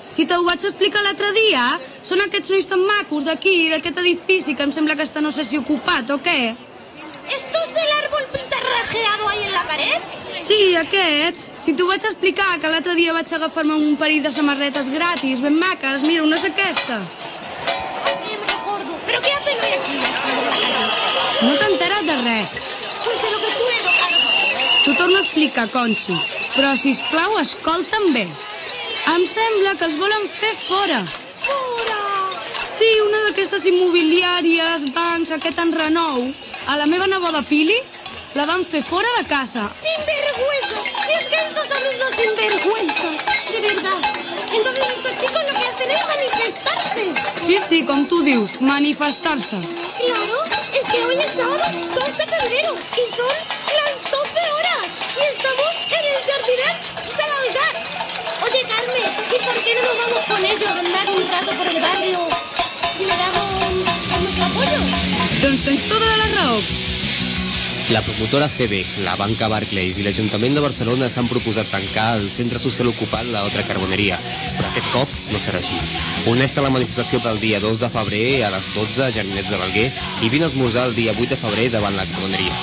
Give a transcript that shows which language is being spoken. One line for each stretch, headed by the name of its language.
Catalan: Si te ho vaig explicar l'altre dia, són aquests nois tan macos d'aquí, d'aquest edifici, que em sembla que està no sé si ocupat o què.
Spanish: ¿Estos del árbol pintarrajeado ahí en la pared?
Catalan: Sí, aquests. Si t'ho vaig explicar, que l'altre dia vaig agafar-me un parell de samarretes gratis, ben maques. Mira, una és aquesta.
Spanish: Ah, sí, me recordo. ¿Pero qué hacen hoy aquí?
Catalan: No t'enteres de res.
Spanish: Pues de lo que tú eres, Carlos.
Catalan: T'ho torno a explicar, Conchi. Però, sisplau, escolta'm bé. Em sembla que els volen fer fora. Fora? Sí, una d'aquestes immobiliàries, bancs, aquest enrenou. A la meva neboda Pili, la van fer fora de casa.
Spanish: Sinvergüenza! Si es que estos son unos sinvergüenzas, de verdad. Entonces estos chicos lo que hacen es manifestarse.
Catalan: Sí, sí, com tu dius, manifestar-se.
Spanish: Claro, es que hoy es sábado 2 de febrero y son las 12 horas y estamos en el jardinet de l'Algar. Oye, Carmen, ¿y por qué no nos vamos con ellos a andar un rato por el barrio y le damos a nuestro apoyo?
Catalan: Doncs tens toda la raó. La promotora FedEx, la banca Barclays i l'Ajuntament de Barcelona s'han proposat tancar el centre social ocupat la Otra Carboneria, però aquest cop no serà així. Honesta la manifestació del dia 2 de febrer a les 12 a Jardinets de Balaguer i vine a esmorzar el dia 8 de febrer davant la Carboneria.